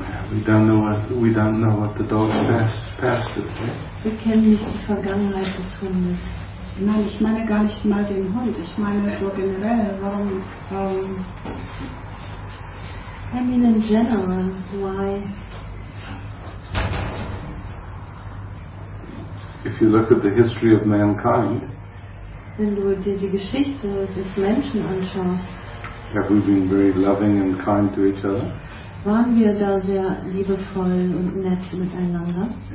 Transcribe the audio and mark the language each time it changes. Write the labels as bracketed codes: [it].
[en] We don't know what the dog passed it. [de] Wir kennen nicht die Vergangenheit des Hundes. Nein, ich meine gar nicht mal den Hund. Ich meine so generell, warum? [en] I mean in general, why? If you look at the history of mankind. [de] Wenn du dir die Geschichte des Menschen anschaust. [en] Have we been very loving and kind to each other? [de] Waren wir da sehr liebevoll und nett miteinander?